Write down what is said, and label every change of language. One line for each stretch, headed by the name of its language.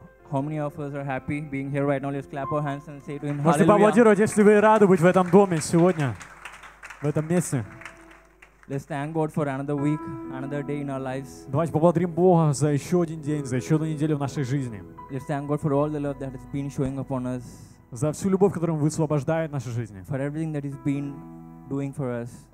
English: How many of us are happy being here right now? Let's clap our hands and say to him, Hallelujah. Let's thank God for another week, another day in our lives.
Russian: Давайте поблагодарим Бога за еще один день, за еще одну неделю в нашей жизни.
English: Let's thank God for all the love that has been showing upon us.
Russian: За всю любовь, которую Он высвобождает в нашей жизни.
English: For everything that He's been doing for us.